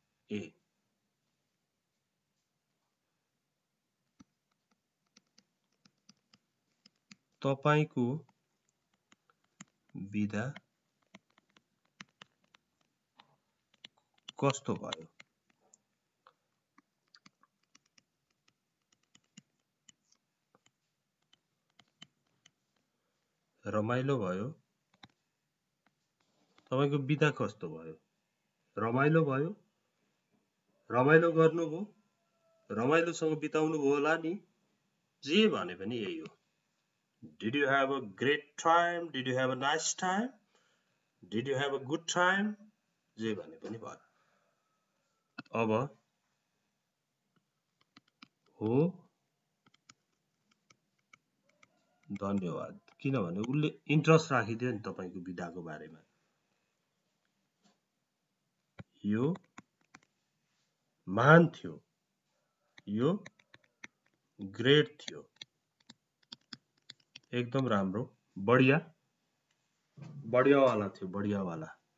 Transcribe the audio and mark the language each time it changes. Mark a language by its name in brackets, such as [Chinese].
[Nepali] ए, तपाईँको बिदा कस्तो भयो, रमाइलो भयो? तपाईँको बिदा कस्तो भयो, रमाइलो भयो? रमाइलो गर्नुभयो, रमाइलोसँग बिताउनु भयो होला नि, जे भने पनि यही हो। [English] Did you have a great time? Did you have a nice time? Did you have a good time? [Nepali] जे भने पनि भयो। अब हो धन्यवाद, किनभने उसले इन्ट्रेस्ट राखिदियो नि तपाईँको बिदाको बारेमा। यो महान थियो, यो ग्रेट थियो, एकदम राम्रो, बढिया, बढियावाला थियो, बढियावाला।